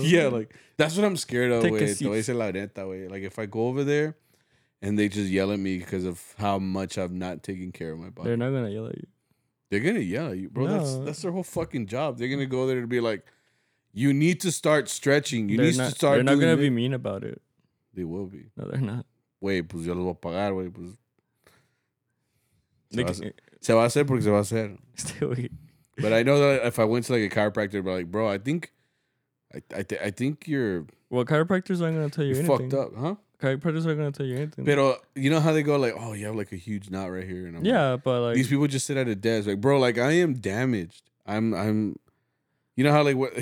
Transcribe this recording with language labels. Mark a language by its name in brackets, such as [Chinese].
[English] Yeah, like that's what I'm scared of. Take a seat. Like if I go over there and they just yell at me because of how much I've not taken care of my body. They're not gonna yell at you. They're gonna yell at you, bro. No. That's their whole fucking job. They're gonna go there to be like, you need to start stretching. They're not gonna be mean about it. They will be. No, they're not. [Spanish] Wait, pues yo los voy a pagar, wey, pues. Se va a hacer porque se va a hacer. [English] But I know that if I went to like a chiropractor, but like, bro, I think you're... Well, chiropractors aren't going to tell you anything. Fucked up, huh? Chiropractors aren't going to tell you anything. But you know how they go like, oh, you have like a huge knot right here. And I'm yeah, like, but like... These people just sit at a desk. Like, bro, like I am damaged. I'm... You know how like...